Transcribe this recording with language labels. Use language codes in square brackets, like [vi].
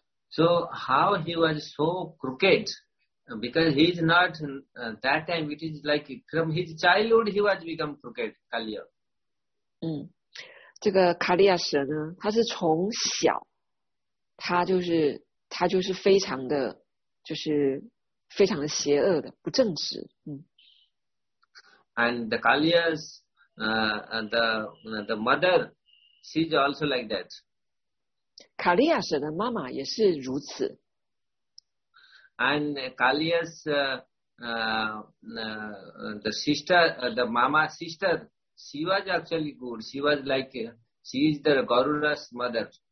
[en] So how he was so crooked? Because he is not that time. It is like from his childhood he was become crooked, Kaliya. [zh] 这个卡利亚蛇呢，他是从小，他就是非常的就是。非常的邪恶的不正直、 [en] And the Kaliya's the mother she's also like that. [zh] 卡利亚舍的妈妈也是如此。 [en] And Kaliya's the sister the mama sister she was actually good. She was like she is the Garuda's mother.